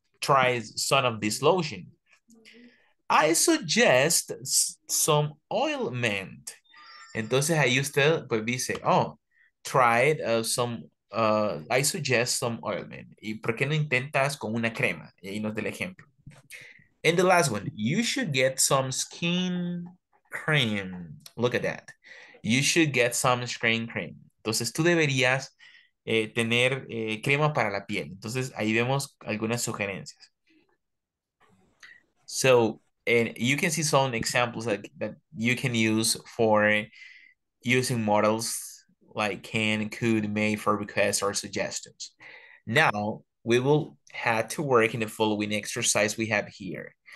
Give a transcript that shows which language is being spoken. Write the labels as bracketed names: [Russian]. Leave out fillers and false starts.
[English] Try some of this lotion. I suggest some ointment. [Spanish] Entonces ahí usted pues dice, [English] oh, tried I suggest some ointment. [Spanish] ¿Y por qué no intentas con una crema? Y ahí nos da el ejemplo. [English] And the last one, you should get some skin cream. Look at that. You should get some skin cream. [Spanish] Entonces tú deberías tener crema para la piel. Entonces, ahí vemos algunas sugerencias. [English] So, and you can see some examples that you can use for using models like can, could, may for requests or suggestions. Now, we will have to work in the following exercise we have here.